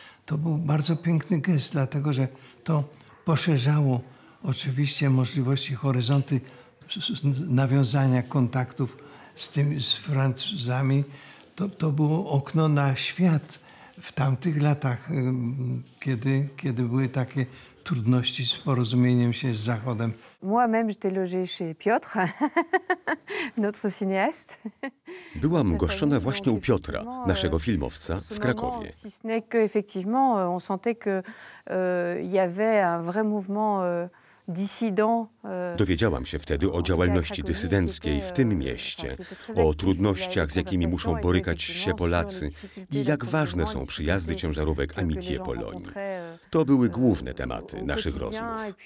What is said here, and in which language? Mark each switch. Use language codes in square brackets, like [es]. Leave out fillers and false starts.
[pl] To był bardzo piękny gest, dlatego że to poszerzało oczywiście możliwości, horyzonty nawiązania kontaktów z tymi, z Francuzami. To było okno na świat w tamtych latach, kiedy były takie trudności z porozumieniem się z Zachodem. [fr] Moi-même, j'étais logée chez Piotr, notre cinéaste. [pl] Byłam goszczona właśnie u Piotra, naszego filmowca, w Krakowie. [fr] Si ce n'est que effectivement, on sentait que y avait un vrai mouvement dissident. [pl] Dowiedziałam się wtedy o działalności dysydenckiej w tym mieście, o trudnościach, z jakimi muszą borykać się Polacy i jak ważne są przyjazdy ciężarówek Amitié Pologne. To były główne tematy naszych rozmów.